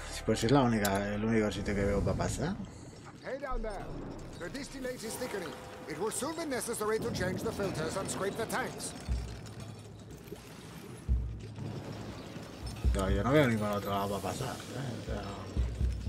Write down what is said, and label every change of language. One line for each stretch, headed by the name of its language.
Spanish: Pues es el único sitio que veo para pasar.
English: Hey down there. The distillate is thickening. It will soon be necessary to change the filters and scrape the tanks.
Spanish: No, yo no veo ningún otro lado para pasar, eh.